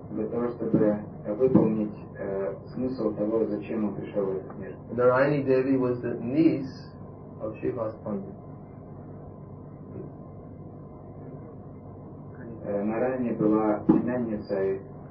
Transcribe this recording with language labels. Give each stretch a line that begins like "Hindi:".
Russian: Для того, чтобы выполнить смысл того, зачем он пришел в этот мир.
English: Narayani Devi was the niece of Shivas Pandit.
Russian: Нараяни была племянницей